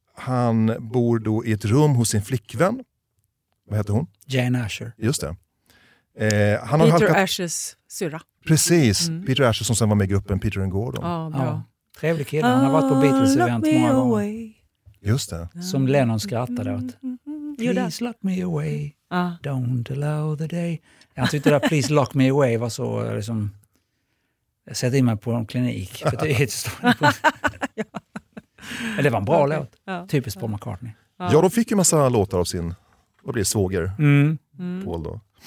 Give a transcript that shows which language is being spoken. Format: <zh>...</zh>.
<sv>Han bor då i ett rum hos sin flickvän. Vad heter hon? Jane Asher. Just det. Han har Peter Ashers syrra. Precis, mm. Peter Asher som sen var med i gruppen Peter and Gordon. Ja, bra. Trevlig kille, han har varit på Beatles event många gånger.</sv> <en>Away.</en> <sv>Just det. Som Lennon skrattade åt.</sv> <en>Please lock me away, don't allow the day.</en> <sv>Jag tyckte att</sv> <en>please lock me away</en> <sv>var så liksom, jag sätter in mig på en klinik. För det är helt stort. Men det var en bra låt. Typiskt Paul McCartney. Ja, de fick ju massa låtar av sin, vad blir det, svåger. Mm. Paul då.</sv>